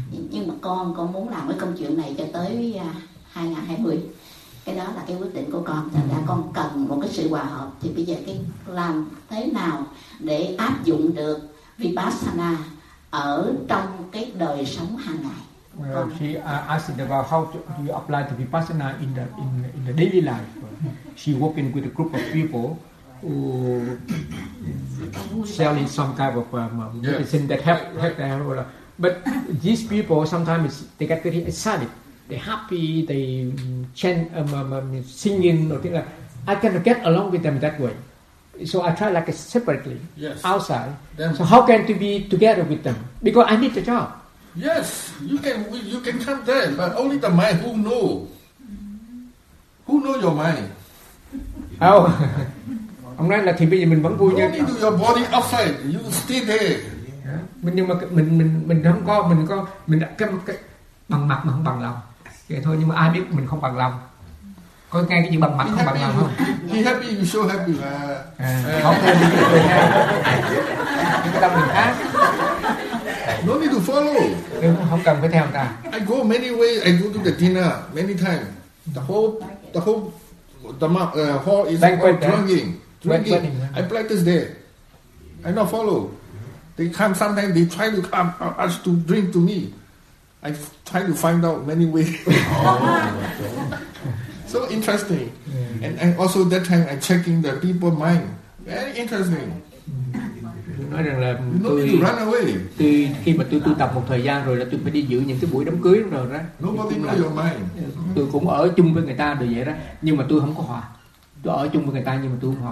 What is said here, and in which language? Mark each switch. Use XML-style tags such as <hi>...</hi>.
<vi>Nhưng mà con muốn làm cái công chuyện này cho tới 2020. Cái đó là cái quyết định của con. Thành ra con cần một cái sự hòa hợp. Thì bây giờ cái làm thế nào để áp dụng được Vipassana ở trong cái đời sống hàng ngày?</vi> <en>Well, she asked about how do you apply to Vipassana in the daily life. She working with a group of people who selling some type of medicine that help them. But these people sometimes they get very excited, they happy, they chant, singing or things like that. I cannot get along with them that way. So I try like a separately outside. Then, so how can to be together with them? Because I need the job. Yes, you can come there, but only the mind who know. Who know your mind?</en> <vi>Oh, hôm nay là thì bây giờ mình vẫn vui nha.</vi> <en>Don't do your body outside. You stay there.</en> <vi>Mình nhưng mà mình không có mình có mình đặt cái bằng mặt mà không bằng lòng. Vậy thôi, nhưng mà ai biết mình không bằng lòng? Có nghe cái gì bằng mặt không bằng lòng không?</vi> <en>Be happy, you so happy.</en> <vi>Không cần gì cái tâm mình khác.</vi> <en>No need to follow.</en> <vi>Không cần phải theo ta.</vi> <en>I go many ways. I go to the dinner many times. The whole hall is banquet, drinking. Banquet. I practice there. I not follow. They come sometimes. They try to come ask to drink to me. I try to find out many ways. So interesting. Yeah. And also that time I checking the people mind. Very interesting.</en> <vi>Nói rằng là tôi khi mà tôi tu tập một thời gian rồi là tôi phải đi dự những cái buổi đám cưới rồi đó, tôi cũng ở chung với người ta rồi vậy đó, nhưng mà tôi không có hòa. Tôi ở chung với người ta nhưng mà tôi không hòa.</vi>